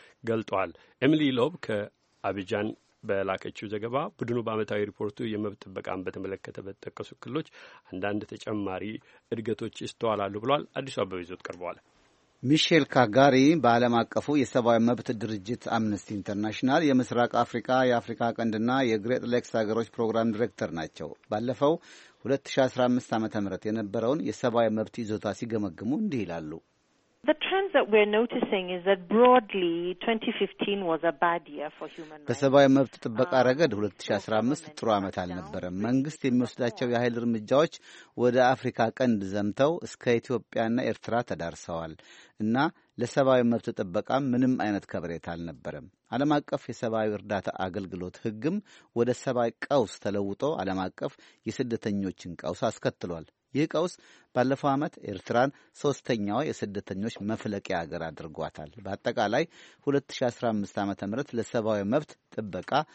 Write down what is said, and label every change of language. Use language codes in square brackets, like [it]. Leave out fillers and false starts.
[am] ገልጧል። ኤሚሊ ሎብ ከአቢጃን በላከችው ዘገባ ቡድኑ በዓመታዊ ሪፖርቱ የመብት ጥበቃን በተመለከተ በተጠቀሱ ክልሎች አንዳንድ ተጨማሪ እድገቶች ይስተዋላሉ ብሏል። አዲሱ አበበ ይዞት ቀርበዋል። ሚሼል ካጋሪ በዓለም አቀፉ የሰብአዊ መብት ድርጅት አምነስቲ ኢንተርናሽናል የምስራቅ አፍሪካ የአፍሪካ ቀንድና የግሬት ሌክስ ሀገሮች ፕሮግራም ዲሬክተር ናቸው። ባለፈው 2015 ዓ ም የነበረውን የሰብአዊ መብት ይዞታ ሲገመግሙ እንዲህ ይላሉ። [en] The trends that we're noticing is that broadly 2015 was a bad year for human rights. [am] በሰብአዊ መብት ጥበቃ ረገድ 2015 ጥሩ ዓመት አልነበረም። መንግስት የሚወስዳቸው የኃይል እርምጃዎች ወደ አፍሪካ ቀንድ ዘምተው እስከ ኢትዮጵያና ኤርትራ ተዳርሰዋል እና ለሰብአዊ መብት ጥበቃ ምንም አይነት ከበሬታ አልነበረም። ዓለም አቀፍ የሰብአዊ እርዳታ አገልግሎት ህግም ወደ ሰብአዊ ቀውስ ተለውጦ ዓለም አቀፍ የስደተኞችን ቀውስ አስከትሏል። ይህ ቀውስ ባለፈው ዓመት ኤርትራን ሶስተኛዋ የስደተኞች መፍለቂያ አገር አድርጓታል። በአጠቃላይ 2015 ዓ.ም ለሰብአዊ መብት ጥበቃ